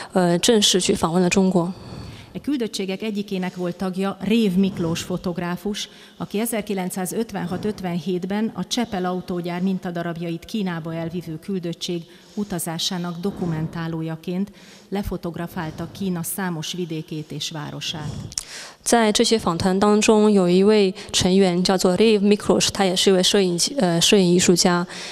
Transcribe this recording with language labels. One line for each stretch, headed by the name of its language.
Chinese: 在50年代的时候，有非常多的访团正式去访问了中国。
Hungarian: E küldöttségek egyikének volt tagja Rév Miklós fotográfus, aki 1956-57-ben a Csepel autógyár mintadarabjait Kínába elvívő küldöttség utazásának dokumentálójaként lefotografálta Kína számos vidékét és városát.
Chinese: 在这些访团当中有一位成员叫做 Rév Miklós, 他也是一位摄影艺术家。